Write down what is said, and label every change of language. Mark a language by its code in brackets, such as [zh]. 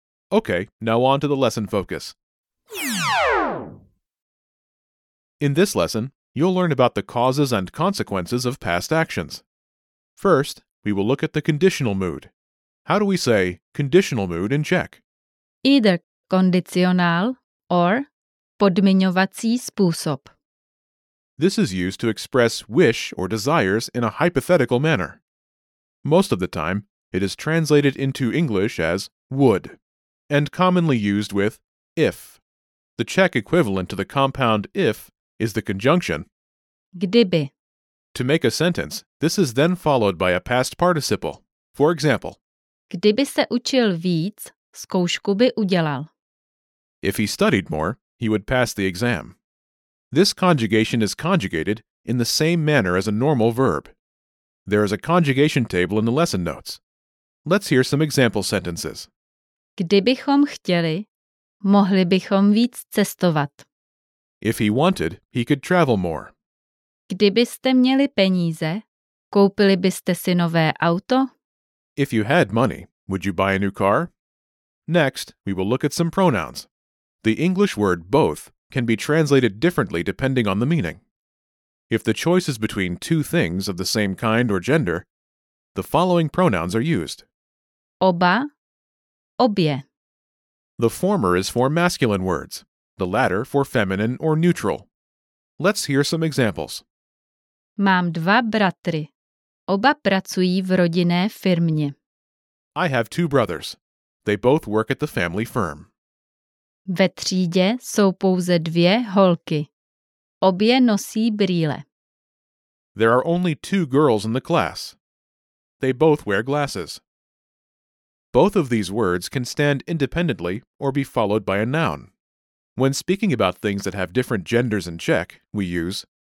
[en] Okay, now on to the lesson focus. In this lesson, you'll learn about the causes and consequences of past actions. First, we will look at the conditional mood. How do we say conditional mood in Czech? Either [cs] kondicionál [en] or [cs] podmiňovací způsob. [en] This is used to express wish or desires in a hypothetical manner. Most of the time, it is translated into English as would, and commonly used with if. The Czech equivalent to the compound if is the conjunction [cs] kdyby. [en] To make a sentence, this is then followed by a past participle. For example, [cs] kdyby se učil víc, zkoušku by udělal. [en] If he studied more, he would pass the exam. This conjugation is conjugated in the same manner as a normal verb. There is a conjugation table in the lesson notes. Let's hear some example sentences. [cs] Kdybychom chtěli, mohli bychom víc cestovat. [en] If he wanted, he could travel more. [cs] Kdybyste měli peníze, koupili byste si nové auto? [en] If you had money, would you buy a new car? Next, we will look at some pronouns. The English word both can be translated differently depending on the meaning. If the choice is between two things of the same kind or gender, the following pronouns are used. [cs] Oba, obě. [en] The former is for masculine words, the latter for feminine or neutral. Let's hear some examples. [cs] Mám dva bratry. Oba pracují v rodinné firmě. [en] I have two brothers. They both work at the family firm. [cs] Ve třídě jsou pouze dvě holky. Obě nosí brýle. [en] There are only two girls in the class. They both wear glasses. Both of these words can stand independently or be followed by a noun. When speaking about things that have different genders in Czech, we use